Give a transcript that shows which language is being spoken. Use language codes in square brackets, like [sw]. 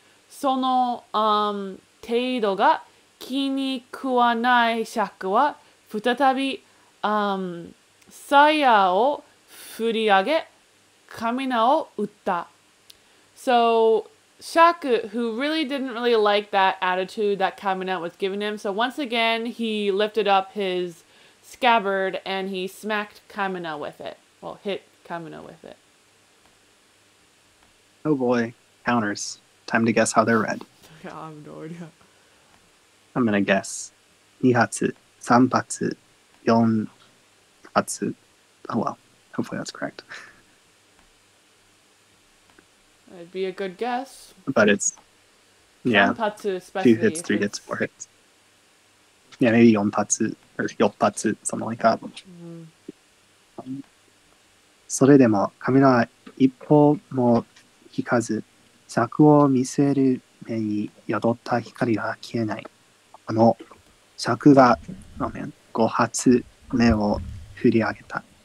[ja] その程度が気に食わないシャクは再び鞘を振り上げ、Kamina を撃った。 [en] So, Shaku, who really didn't really like that attitude that Kamina was giving him, so once again, he lifted up his scabbard and he smacked Kamina with it. Well, hit Kamina with it. Oh boy, counters. Time to guess how they're read. I have no idea. I'm gonna guess. 2発, 3発, 4発. Oh well, hopefully that's correct. That'd be a good guess. But it's, yeah. 3発 especially. 2 hits, 3 hits, 4 hits. Yeah, maybe 4発, or 6発, something like that. Mm-hmm. [ja] それでも神は一歩も引かず、柵を見せる目に宿った光は消えない。あの柵が5発目を振り上げた。